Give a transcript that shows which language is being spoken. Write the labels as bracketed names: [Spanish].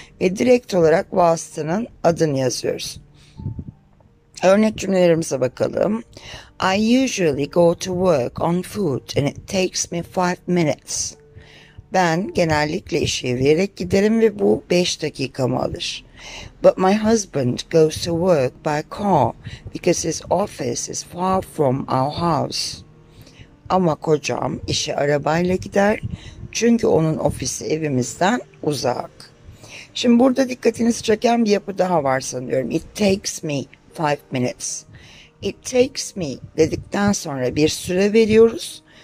[Turkish] Ve direkt olarak vasıtanın adını yazıyoruz. Örnek cümlelerimize bakalım. [English] I usually go to work on foot and it takes me 5 minutes. [Turkish] Ben genellikle işe yürüyerek giderim ve bu 5 dakikamı alır. [English] But my husband goes to work by car because his office is far from our house. [Turkish] Ama kocam işe arabayla gider çünkü onun ofisi evimizden uzak. Şimdi burada dikkatinizi çeken bir yapı daha var sanıyorum. [English] It takes me 5 minutes. It takes me [Turkish] dedikten sonra bir süre veriyoruz.